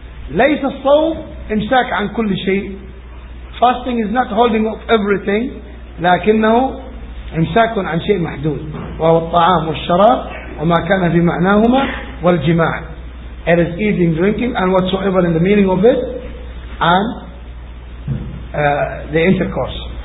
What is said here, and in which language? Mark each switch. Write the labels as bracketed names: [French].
[Arabic] ليس الصوم إمساك عن كل شيء. [English] Fasting is not holding off everything. [Arabic] لكنه إمساك عن شيء محدود. وهو الطعام والشراب وما كان في معناهما والجماع. [English] It is eating, drinking and whatsoever in the meaning of it and the intercourse.